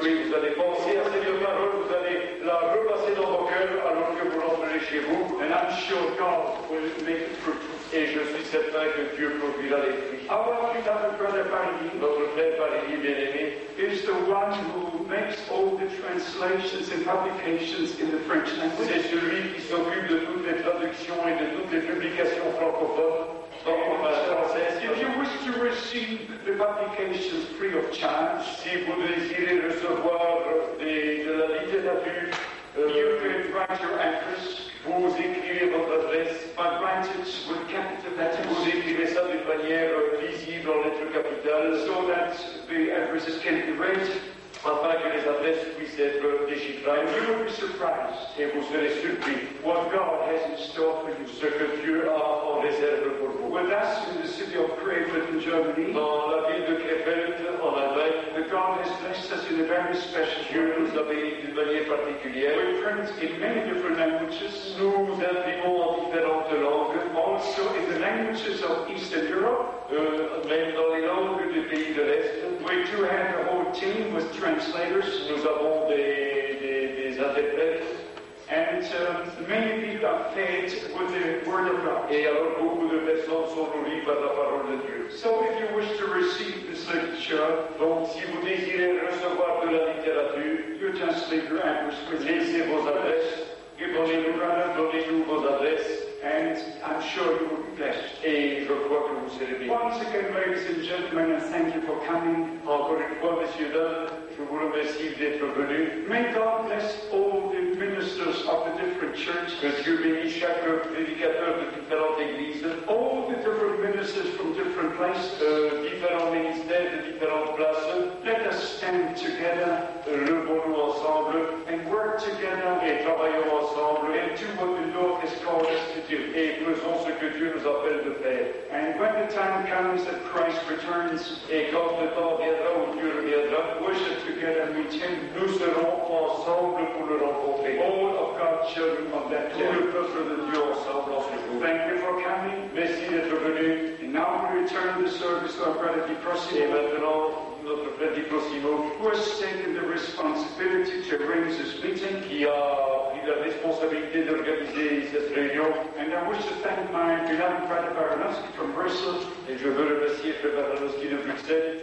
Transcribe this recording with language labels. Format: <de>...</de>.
<fr>Oui, vous allez penser à cette parole, vous allez la repasser dans vos cœurs alors que vous rentrez chez vous.</fr> <en>And I'm sure God will make fruit.</en> <fr>Et je suis certain que Dieu produira les</fr> <en>fruits. Our brother Barry,</en> <fr>notre frère Barry, bien-aimé,</fr> <en>is the one who makes all the translations and publications in the French language.</en> <fr>C'est celui qui s'occupe de toutes les traductions et de toutes les publications francophones.</fr> <en>If you wish to receive the publications free of charge,</en> <fr>si vous désirez recevoir de la littérature,</fr> <en>you can write your address.</en> <fr>Vous écrivez votre adresse.</fr> <en>By writing with capital letters.</en> <fr>Vous écrivez ça d'une manière visible en lettres capitales,</fr> <en>so that the addresses can be read.</en> <fr>Afin que les adresses puissent être déchiffrées.</fr> <en>You will be surprised.</en> <fr>Et vous serez surpris.</fr> <en>What God has in store for you.</en> <fr>Ce que Dieu a en réserve pour vous.</fr> <en>With us in the city of Krefeld in Germany.</en> <fr>Dans la ville de Krefeld en Allemagne.</fr> <en>The God has blessed us in a very special</en> <fr>year. Nous avons une manière particulière.</fr> <en>We print in many different languages.</en> <fr>Nous imprimons en différentes langues.</fr> <en>Also in the languages of Eastern Europe.</en> <fr>Même dans les langues du pays de l'Est.</fr> <en>We do have a whole team with translators.</en> <fr>Nous avons des interprètes.</fr> <en>And many people are fed with the word of God.</en> <fr>Et alors beaucoup de personnes sont nourries par la parole de Dieu.</fr> <en>So if you wish to receive this literature,</en> <fr>donc si vous désirez recevoir de la littérature,</fr> <en>you just leave your address.</en> <fr>Laissez vos adresses. Donnez-nous vos adresses.</fr> <en>And I'm sure you will be blessed.</en> <fr>Et je crois que vous serez bien.</fr> <en>Once again, ladies and gentlemen, I thank you for coming.</en> <fr>Encore une fois, messieurs dames, je vous remercie d'être venu.</fr> <en>May God bless all the ministers of the different churches.</en> <fr>Que Dieu bénisse chaque prédicateur de différentes églises.</fr> <en>All the different ministers from different places.</en> <fr>Différents ministères de différentes places.</fr> <en>Let us stand together.</en> <fr>Levons-nous ensemble.</fr> <en>And work together.</en> <fr>Et travaillons ensemble.</fr> <en>And do what the Lord has called us to do.</en> <fr>Et faisons ce que Dieu nous appelle de faire.</fr> <en>And when the time comes that Christ returns,</en> <fr>et quand le temps viendra où Dieu reviendra,</fr> <en>worship together, meet him.</en> <fr>Nous serons ensemble pour le rencontrer.</fr> <en>All of God's children of that day.</en> <fr>Tout le peuple de Dieu ensemble dans ce jour.</fr> <en>Thank you for coming.</en> <fr>Merci d'être venu.</fr> <en>And now we return the service to our brother Di Prossimo.</en> <fr>Et maintenant, notre frère Di Prossimo,</fr> <en>who has taken the responsibility to arrange this meeting,</en> <fr>qui a pris la responsabilité d'organiser cette réunion.</fr> <en>And I wish to thank my beloved brother Baranowski from Brussels.</en> <fr>Et je veux remercier frère Baranowski de Bruxelles</fr>